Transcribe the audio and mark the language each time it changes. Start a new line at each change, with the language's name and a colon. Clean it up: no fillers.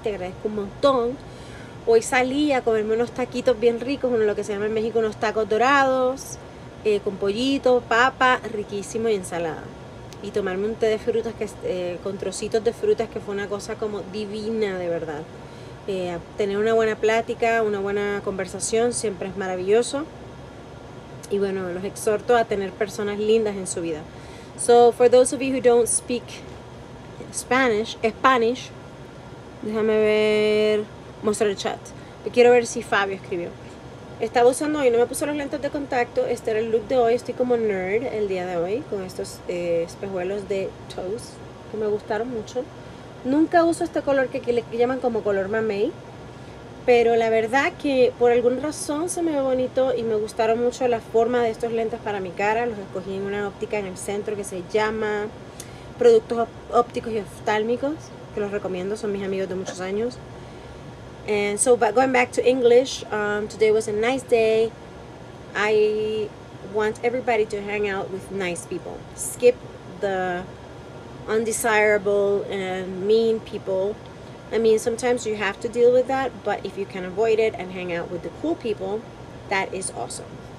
Spanish: Te agradezco un montón. Hoy salí a comerme unos taquitos bien ricos, uno de lo que se llama en México unos tacos dorados, con pollito, papa, riquísimo y ensalada. Y tomarme un té de frutas con trocitos de frutas, que fue una cosa como divina, de verdad. Tener una buena plática, una buena conversación, siempre es maravilloso. Y bueno, los exhorto a tener personas lindas en su vida.
English: So, for those of you who don't speak Spanish,
Spanish: déjame ver... Mostrar el chat. Quiero ver si Fabio escribió. Estaba usando hoy, no me puse los lentes de contacto. Este era el look de hoy. Estoy como nerd el día de hoy con estos espejuelos de Toast, que me gustaron mucho. Nunca uso este color que llaman como color mamey. Pero la verdad que por alguna razón se me ve bonito y me gustaron mucho la forma de estos lentes para mi cara. Los escogí en una óptica en el centro que se llama Productos Ópticos y Oftálmicos, que los recomiendo, son mis amigos de muchos años.
English: And so, but going back to English, today was a nice day. I want everybody to hang out with nice people. Skip the undesirable and mean people. I mean, sometimes you have to deal with that, but if you can avoid it and hang out with the cool people, that is awesome.